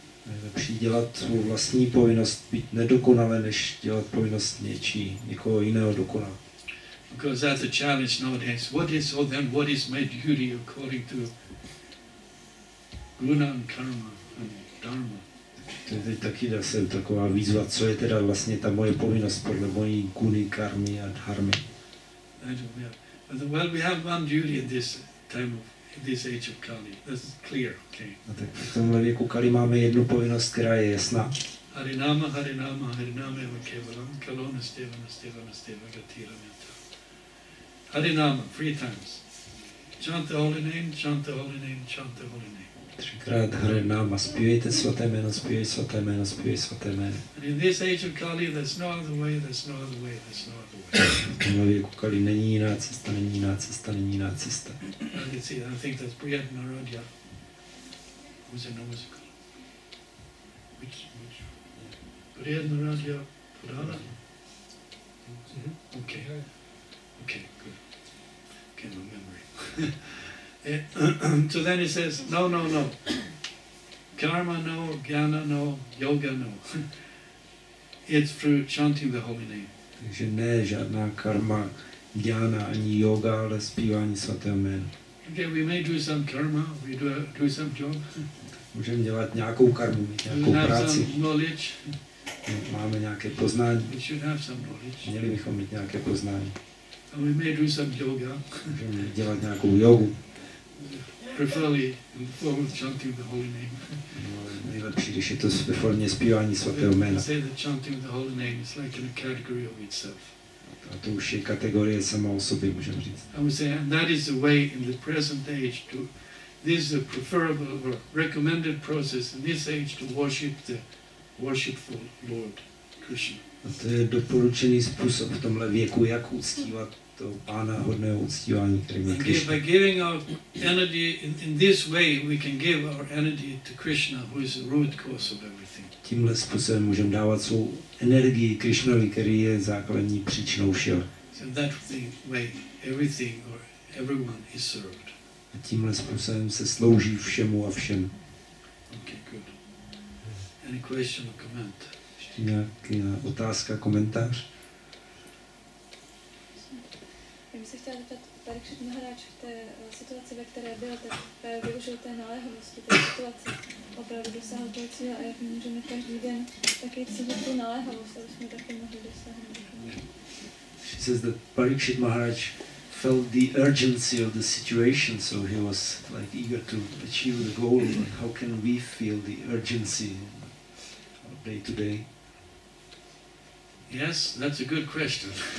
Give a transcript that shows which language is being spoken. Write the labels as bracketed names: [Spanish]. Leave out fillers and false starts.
[Czech] Nejlepší dělat svou vlastní povinnost, být nedokonalé, než dělat povinnost někoho jiného dokonalé. [English] Because that's a challenge nowadays. What is, oh then, what is my duty according to guna and karma and dharma? [Czech] To je taky zase taková výzva, co je teda vlastně ta moje povinnost podle mojí guny, karmy a dharmy. [English] Well, we have one duty in this time of this age of Kali. That's clear, okay. [Czech] No, tak v tomhle věku Kali máme jednu povinnost, která je jasná. [Sanskrit] Harinama, harinama, harinama, kevalam, kalona, stevana, stevana, stevana, gatira, mianta. [English] Harinama, three times. Chant the holy name, chant the holy name, chant the holy name. [Czech] Třikrát hry náma, zpívejte svaté jméno, zpívej svaté jméno, zpívej svaté jméno. [English] And in this age of Kali, there's no other way, there's no other way, there's no other way. [Czech] V věku Kali není jiná cesta, není jiná cesta, není jiná cesta. [English] And you see, I think that's Brihad Narodhya. Was it no musical? Which? Brihad Narodhya Purana? Okay, good. Can't remember it. So then he says, no. Karma no, jnana no, yoga no. It's through chanting the holy name. [Czech] Takže ne žádná karma, jnana ani yoga, ale zpívání svatého jména. [English] Okay, we may do some karma, we do some job. [Czech] Můžeme dělat nějakou karmu, nějakou [English] we [Czech] práci. [English] We have some knowledge. [Czech] Máme nějaké poznání. [English] We should have some knowledge. [Czech] Měli bychom mít nějaké poznání. [English] And we may do some yoga. [Czech] Můžeme dělat nějakou jogu. [English] Preferably in the form of chanting the holy name. [Czech] Nejlepší, když je to ve formě zpívání svatého jména. [English] Say that chanting the holy name is like in a category of itself. [Czech] A to už je kategorie sama o sobě, můžeme říct. [English] I would say, and that is the way in the present age to, this is a preferable or recommended process in this age to worship the worshipful Lord Krishna. [Czech] A to je doporučený způsob v tomhle věku, jak uctívat toho pána hodného uctívání, kterým je Krišna. [English] By giving our energy in this way, we can give our energy to Krishna, who is the root cause of everything. [Czech] Tímhle způsobem můžeme dávat svou energii Krišnovi, který je základní příčinou všeho. [English] So that way, everything or everyone is served. [Czech] A tímhle způsobem se slouží všemu a všem. [English] Okay, good. Any question or comment? [Czech] Ještě nějaká otázka, komentář? bych se chtěla zeptat, pane Krishna Maharaj, v té situaci, ve které byl, tak využil té naléhavosti, té situace opravdu dosáhl toho cíle a jak můžeme každý den taky cítit tu naléhavost, aby jsme taky mohli dosáhnout. [English] She says that Parikshit Maharaj felt the urgency of the situation, so he was like eager to achieve the goal. But how can we feel the urgency day to day? Yes, that's a good question.